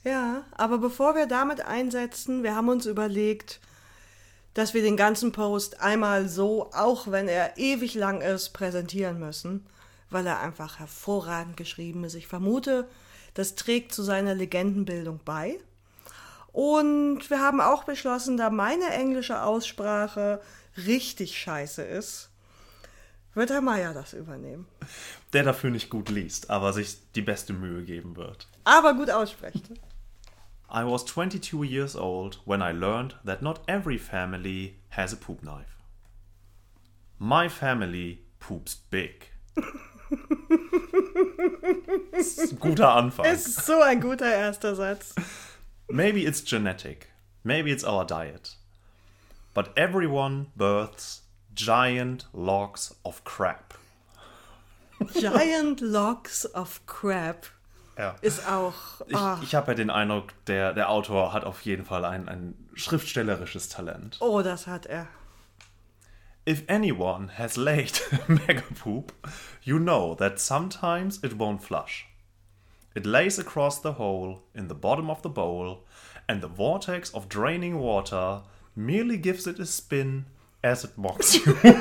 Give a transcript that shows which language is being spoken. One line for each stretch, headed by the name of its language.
German: Ja, aber bevor wir damit einsetzen, wir haben uns überlegt, dass wir den ganzen Post einmal so, auch wenn er ewig lang ist, präsentieren müssen, weil er einfach hervorragend geschrieben ist. Ich vermute, das trägt zu seiner Legendenbildung bei. Und wir haben auch beschlossen, da meine englische Aussprache richtig scheiße ist, wird Herr Mayer das übernehmen. Der dafür nicht gut liest, aber sich die beste Mühe geben wird. Aber gut ausspricht.
English: I was 22 years old when I learned that not every family has a poop knife. My family poops big.
German: Das ist ein guter Anfang. Ist so ein guter erster Satz.
English: Maybe it's genetic. Maybe it's our diet. But everyone births giant logs of crap. Giant logs of crap.
German: Ja. Ist auch... Ich habe ja den Eindruck, der Autor hat auf jeden Fall ein schriftstellerisches Talent. Oh, das hat er.
English: If anyone has laid mega poop, you know that sometimes it won't flush. It lays across the hole in the bottom of the bowl and the vortex of draining water merely gives it a spin as it mocks you.